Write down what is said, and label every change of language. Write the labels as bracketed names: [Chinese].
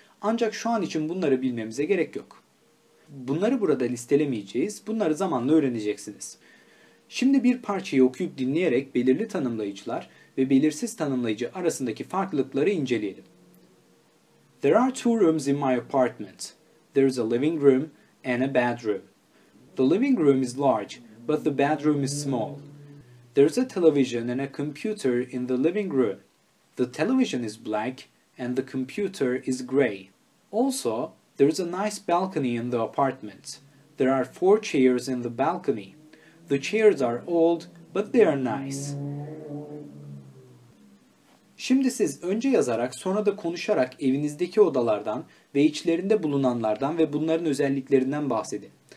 [Turkish] Ancak şu an için bunları bilmemize gerek yok. Bunları burada listelemeyeceğiz, bunları zamanla öğreneceksiniz. Şimdi bir parçayı okuyup dinleyerek belirli tanımlayıcılar ve belirsiz tanımlayıcı arasındaki farklılıkları inceleyelim. [English] There are two rooms in my apartment. There is a living room and a bedroom. The living room is large, but the bedroom is small. There is a television and a computer in the living room. The television is black and the computer is gray. Also, there is a nice balcony in the apartment. There are four chairs in the balcony. The chairs are old, but they are nice. [Turkish] Şimdi siz önce yazarak sonra da konuşarak evinizdeki odalardan ve içlerinde bulunanlardan ve bunların özelliklerinden bahsedin.